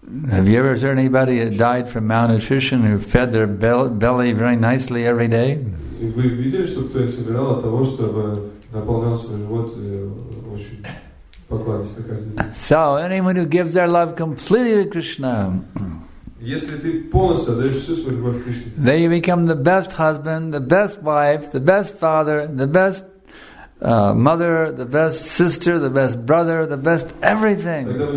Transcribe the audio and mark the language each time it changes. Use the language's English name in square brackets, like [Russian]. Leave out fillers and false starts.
[English] Have you ever heard anybody that died from malnutrition who fed their belly very nicely every day? [Russian] Вы видели, чтобы кто-нибудь умирал от того, чтобы наполнял свой живот очень [English] So anyone who gives their love completely to Krishna, then you become the best husband, the best wife, the best father, the best mother, the best sister, the best brother, the best everything.